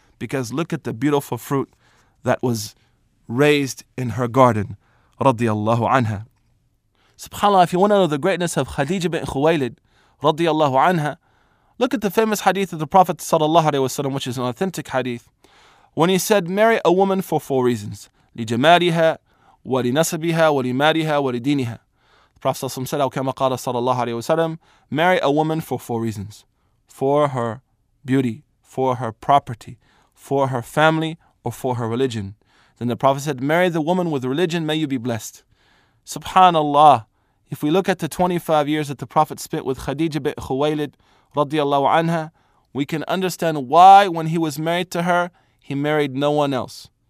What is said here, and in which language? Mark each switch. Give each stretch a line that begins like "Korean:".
English: Because look at the beautiful fruit that was raised in her garden radiallahu anha. SubhanAllah, if you want to know the greatness of Khadija bin Khuwaylid radiallahu anha, look at the famous hadith of the Prophet sallallahu alaihi wasallam, which is an authentic hadith, when he said, marry a woman for four reasons.
Arabic: لجمالها ولنسبها ولمالها ولدينها.
English: The Prophet said,
Arabic: أو كما قال
English: sallallahu alaihi wasallam, marry a woman for four reasons. For her beauty, for her property, for her family, or for her religion. Then the Prophet said, marry the woman with religion, may you be blessed. SubhanAllah, if we look at the 25 years that the Prophet spent with Khadija bin Khuwaylid radiallahu anha, we can understand why when he was married to her, he married no one else.